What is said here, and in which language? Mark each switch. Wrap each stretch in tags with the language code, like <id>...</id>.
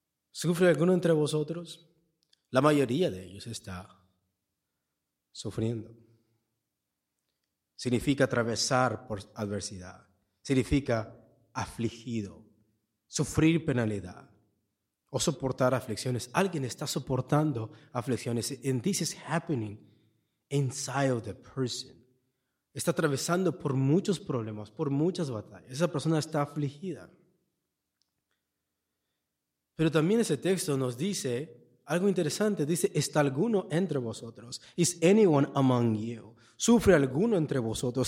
<es>¿Sufre alguno entre vosotros? La mayoría de ellos está sufriendo. Significa atravesar por adversidad. Significa afligido. Sufrir penalidad. O soportar aflicciones. Alguien está soportando aflicciones.</es> <en>And this is happening inside of the person.</en> <es>Está atravesando por muchos problemas, por muchas batallas. Esa persona está afligida. Pero también ese texto nos dice algo interesante, dice, ¿está alguno entre vosotros?</es> <en>Is anyone among you?</en> <es>¿Sufre alguno entre vosotros?</es>